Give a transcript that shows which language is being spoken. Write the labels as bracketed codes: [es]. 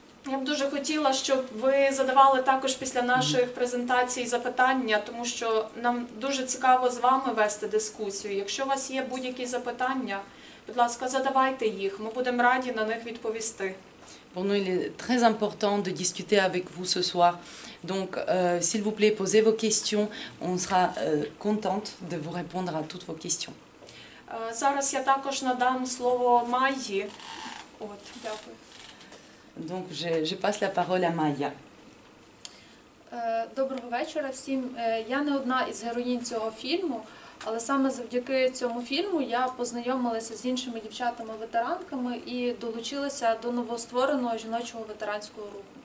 [uk] Я б дуже хотіла, щоб ви задавали також після наших презентацій запитання, тому що нам дуже цікаво з вами вести дискусію. Якщо у вас є будь-які запитання, будь ласка, задавайте їх. Ми будемо раді на них відповісти. [fr] Pour nous, il est très important de discuter avec vous ce soir. Donc, s'il vous plaît, posez vos questions. On sera contente de vous répondre à toutes vos questions. [uk] Зараз я також надам слово Майі. От, дякую. [fr] Donc, je passe la parole à Maya. [uk] Доброго вечора всім. Я не одна із героїн цього фільму, але саме завдяки цьому фільму я познайомилася з іншими дівчатами-ветеранками і долучилася до новоствореного жіночого ветеранського руху.